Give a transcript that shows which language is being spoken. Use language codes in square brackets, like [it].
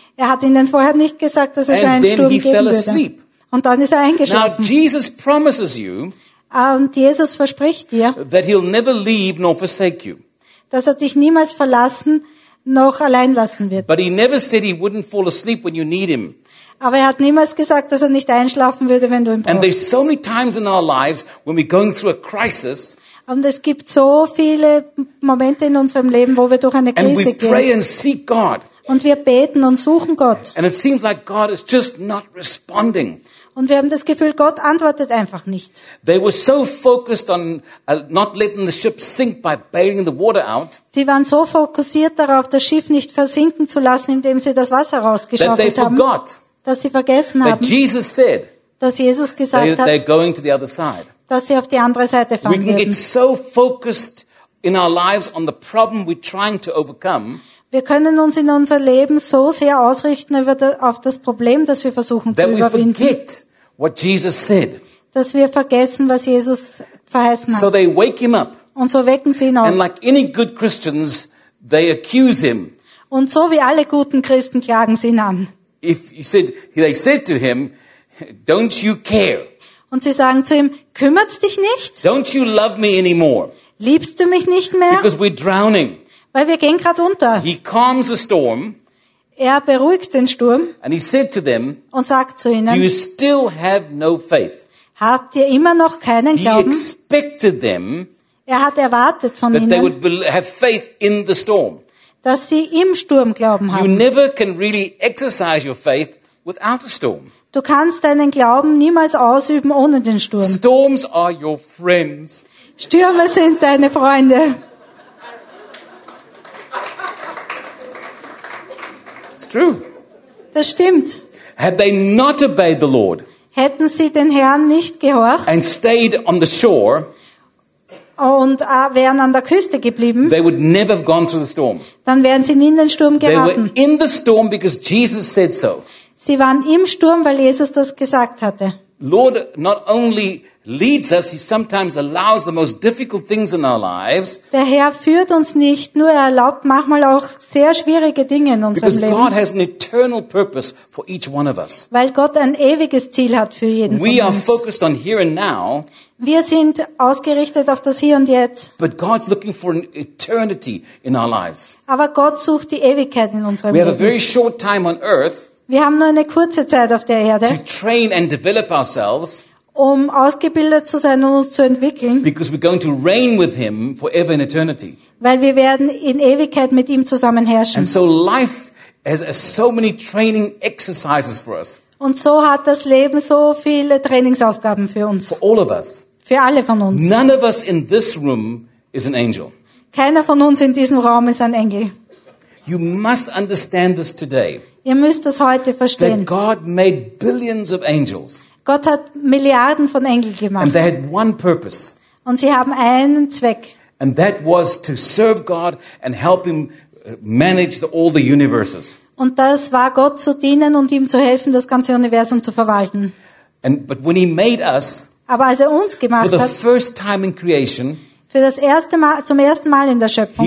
[de] Er hat ihnen vorher nicht gesagt, dass es [en] and [de] einen Sturm geben [en] fell [de] würde. [en] Asleep. [de] Und dann ist er eingeschlafen. [en] Now Jesus promises you, [de] und Jesus verspricht dir, [en] that he'll never leave nor forsake you. [de] Dass er dich niemals verlassen noch allein lassen wird. [en] But he never said he wouldn't fall asleep when you need him. [de] Aber er hat niemals gesagt, dass er nicht einschlafen würde, wenn du ihn brauchst. [en] And there's so many times in our lives when we're going through a crisis. [de] Und es gibt so viele Momente in unserem Leben, wo wir durch eine Krise [en] and we [de] gehen. [en] Pray and seek God. [de] Und wir beten und suchen Gott. [en] And it seems like God is just not responding. [de] Und wir haben das Gefühl, Gott antwortet einfach nicht. [en] They were so focused on not letting the ship sink by bailing the water out. [de] Sie waren so fokussiert darauf, das Schiff nicht versinken zu lassen, indem sie das Wasser rausgeschaufelt haben. [en] That they forgot. [de] Dass sie vergessen haben, [en] that Jesus said, [de] dass Jesus gesagt hat, [en] they're going to the other side. [de] Dass sie auf die andere Seite fahren werden. [en] We can get so focused in our lives on the problem we're trying to overcome. [de] Wir können uns in unser Leben so sehr ausrichten auf das Problem, das wir versuchen zu überwinden, [en] that we forget what Jesus said. [de] Dass wir vergessen, was Jesus verheißen hat. [en] So they wake him up. [de] Und so wecken sie ihn auf. [en] And like any good Christians, they accuse him. [de] Und so wie alle guten Christen klagen sie ihn an. [en] If you said, they said to him, don't you care? [de] Und sie sagen zu ihm, kümmert's dich nicht? [en] Don't you love me anymore? [de] Liebst du mich nicht mehr? [en] Because we're drowning. [de] Weil wir gehen gerade unter. [en] He calms the storm. [de] Er beruhigt den Sturm. [en] And he said to them, [de] und sagt zu ihnen, [en] do you still have no faith? [de] Habt ihr immer noch keinen Glauben? [en] He expected them, [de] er hat erwartet von [en] that [de] ihnen, [en] they would have faith in the storm. [de] Dass sie im Sturm Glauben haben. [en] You never can really exercise your faith without a storm. [de] Du kannst deinen Glauben niemals ausüben ohne den Sturm. [en] Storms are your friends. [de] Stürme sind deine Freunde. [en] It's true. [de] Das stimmt. [en] Had they not obeyed the Lord, [de] hätten sie den Herrn nicht gehorcht, [en] and stayed on the shore, [de] und wären an der Küste geblieben, [en] they would never have gone through the storm. [de] Dann wären sie nie in den Sturm geraten. [en] They were in the storm because Jesus said so. [de] Sie waren im Sturm, weil Jesus das gesagt hatte. [en] Lord not only leads us, he sometimes allows the most difficult things in our lives. [de] Der Herr führt uns nicht, nur er erlaubt manchmal auch sehr schwierige Dinge in unserem [en] because [de] Leben. [en] God has an eternal purpose for each one of us. [de] Weil Gott ein ewiges Ziel hat für jeden [en] we We are focused on here and now. [de] Wir sind ausgerichtet auf das Hier und Jetzt. [en] But God's looking for an eternity in our lives. [de] Aber Gott sucht die Ewigkeit in unserem [en] we [de] Leben. [en] Have a very short time on earth. [de] Wir haben nur eine kurze Zeit auf der Erde. [en] To train and develop ourselves. [de] Um ausgebildet zu sein und uns zu entwickeln. [en] Because we're going to reign with him forever in eternity. [de] Weil wir werden in Ewigkeit mit ihm zusammen herrschen. [en] And so life has so many training exercises for us. [de] Und so hat das Leben so viele Trainingsaufgaben für uns. [en] For all of us. [de] Für alle von uns. [en] None of us in this room is an angel. [de] Keiner von uns in diesem Raum ist ein Engel. [en] You must understand this today. [de] Ihr müsst das heute verstehen. [en] That God made billions of angels. [de] Gott hat Milliarden von Engeln gemacht. [en] And they had one purpose. [de] Und sie haben einen Zweck. [en] And that was to serve God and help him manage all the universes. [de] Und das war Gott zu dienen und ihm zu helfen, das ganze Universum zu verwalten. [en] But when he made us, [de] aber als er uns gemacht [en] for the [de] hat, [en] first time in creation, [de] für das erste Mal, zum ersten Mal in der Schöpfung,